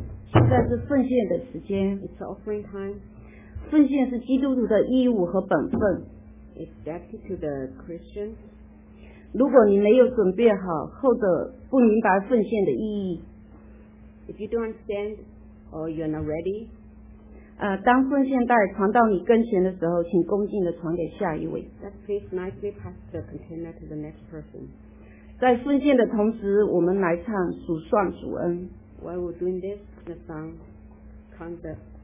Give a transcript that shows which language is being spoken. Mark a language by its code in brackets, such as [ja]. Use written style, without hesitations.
[zh] 现在是奉献的时间。 [en] It's offering time. [zh] 奉献是基督徒的义务和本分。 [en] It's dedicated to the Christians. [zh] 如果你没有准备好，或者不明白奉献的意义 [en] ，If you don't understand or you're not ready, [zh] 当奉献袋传到你跟前的时候，请恭敬的传给下一位。 [en] That please nicely pass the container to the next person. [zh] 在奉献的同时，我们来唱数算数恩。 [en] While we're doing this, the song count the.